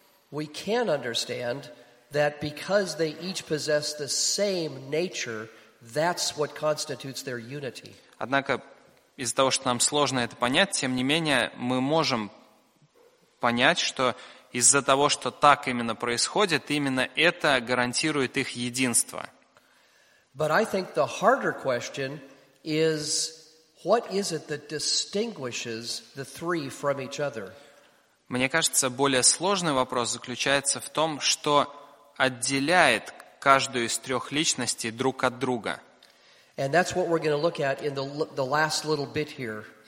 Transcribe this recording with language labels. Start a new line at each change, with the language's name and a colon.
English: we can understand that because they each possess the same nature, that's what constitutes their unity.
Russian: Однако из-за того, что нам сложно это понять, тем не менее мы можем понять, что из-за того, что так именно происходит, именно это гарантирует их единство.
English: But I think the harder question is, what is it that distinguishes the three from each other?
Russian: Мне кажется, более сложный вопрос заключается в том, что отделяет каждую из трех личностей друг от друга.
English: And that's what we're going to look at in the last little bit here.